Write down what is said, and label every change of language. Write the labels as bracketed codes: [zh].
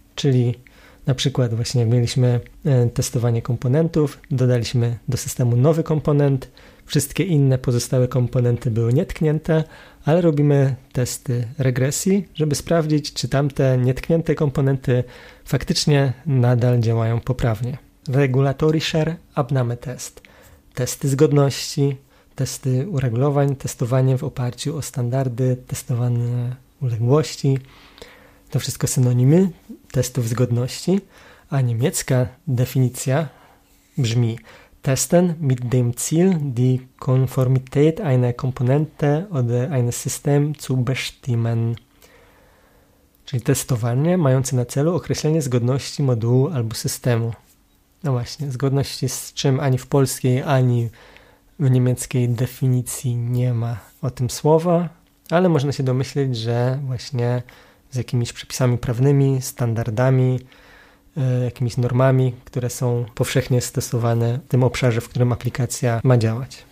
[pl] Czyli na przykład właśnie jak mieliśmy testowanie komponentów, dodaliśmy do systemu nowy komponent, wszystkie inne pozostałe komponenty były nietknięte, ale robimy testy regresji, żeby sprawdzić, czy tamte nietknięte komponenty faktycznie nadal działają poprawnie. Regulatorischer Abnahmetest. Testy zgodności, testy uregulowań, testowanie w oparciu o standardy, testowane uległości. To wszystko synonimy testów zgodności, a niemiecka definicja brzmi: [de] Testen mit dem Ziel, die Konformität einer Komponente oder eines Systems zu bestimmen. [pl] Czyli testowanie mające na celu określenie zgodności modułu albo systemu. No właśnie, zgodności z czym ani w polskiej, ani w niemieckiej definicji nie ma o tym słowa, ale można się domyśleć, że właśnie z jakimiś przepisami prawnymi, standardami, jakimiś normami, które są powszechnie stosowane w tym obszarze, w którym aplikacja ma działać.